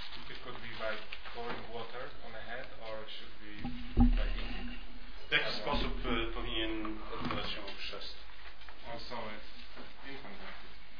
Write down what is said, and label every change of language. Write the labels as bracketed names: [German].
[English] It could be by pouring water on the head, or should be by eating? [Polish] W jaki sposób powinien odbywać się chrzest? [English] Also, it's infant baptism.